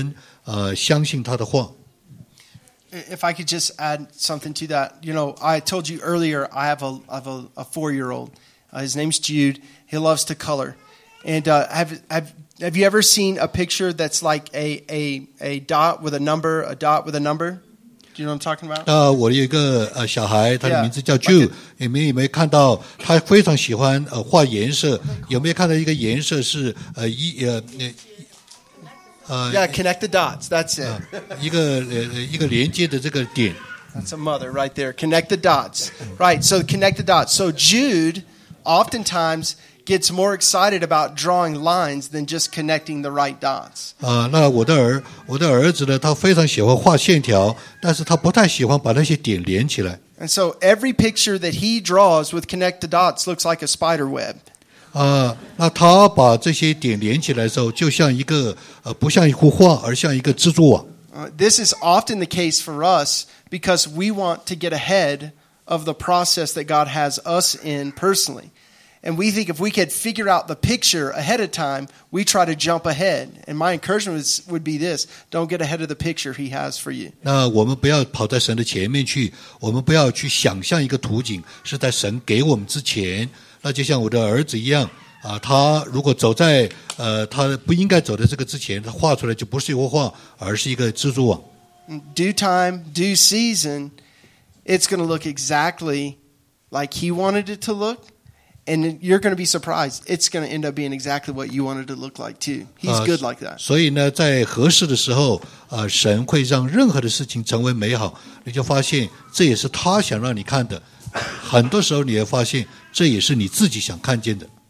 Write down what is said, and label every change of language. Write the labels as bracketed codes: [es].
[zh] 那我所讲的就是说，神不是一个分别的人，不是一个轻过，就是说对人不公平的。那在我身上发生的，可以在任何一个人身上发生。但我们是不是在神面前追求委身，相信他的话？ [en] If I could just add something to that, you know, I told you earlier, I have a 4-year-old. His name's Jude. He loves to color, and Have you ever seen a picture that's like a dot with a number, a dot with a number? Do you know what I'm talking about? [zh] 我有一个小孩，他的名字叫 Jude。你们有没有看到？他非常喜欢画颜色。有没有看到一个颜色是 [en] connect the dots. That's it. [zh] 一个连接的这个点。 [en] That's a mother right there. Connect the dots. Right. So connect the dots. So Jude oftentimes gets more excited about drawing lines than just connecting the right dots. [zh] 那我的儿子呢，他非常喜欢画线条，但是他不太喜欢把那些点连起来。 [en] And so every picture that he draws with connect the dots looks like a spider web. [zh] 那他把这些点连起来的时候，就像一个不像一幅画，而像一个蜘蛛网。 [en] This is often the case for us. Because we want to get ahead of the process that God has us in personally. And we think if we could figure out the picture ahead of time, we try to jump ahead. And my encouragement would be this, don't get ahead of the picture he has for you. [zh] 那我们不要跑在神的前面去，我们不要去想象一个图景是在神给我们之前。那就像我的儿子一样，他如果走在他不应该走的这个之前，他画出来就不是一幅画，而是一个蜘蛛网。 [en] Due time, due season, it's going to look exactly like he wanted it to look. And you're going to be surprised. It's going to end up being exactly what you wanted to look like, too. He's good like that. [zh] 所以呢，在合适的时候，神会让任何的事情成为美好。你就发现，这也是他想让你看的。很多时候你会发现，这也是你自己想看见的。